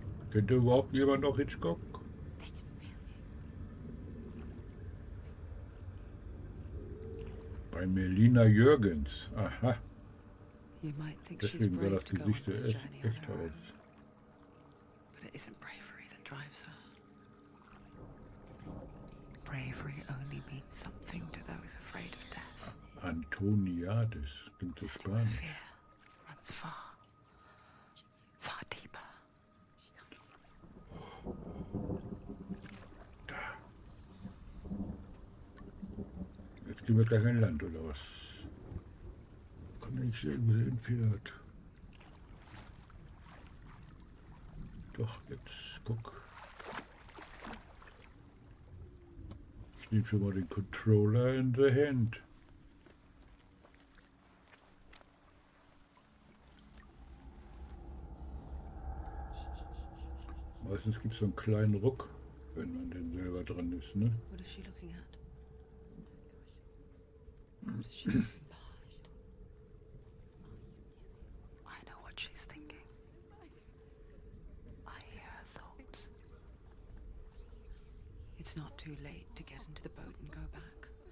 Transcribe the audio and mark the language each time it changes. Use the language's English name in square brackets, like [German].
[German] Kennt ihr überhaupt jemand noch Hitchcock? Bei Melina Jürgens. Aha. Deswegen sah das Gesicht ja echt aus. [English] But it isn't bravery that drives her. Bravery only means something to those afraid of death. [German] Antoniades, klingt so spannend. [English] Fear runs far. Far deeper. [German] Jetzt gehen wir gleich in Land, oder was? Kann ich nicht sehen, wo sie hinfährt. Doch, jetzt guck. Ich nehme schon mal den Controller in die Hand. Meistens gibt es so einen kleinen Ruck, wenn man denn selber dran ist, ne? [English] I know what she's thinking. I hear her thoughts. It's not too late to get into the boat and go back.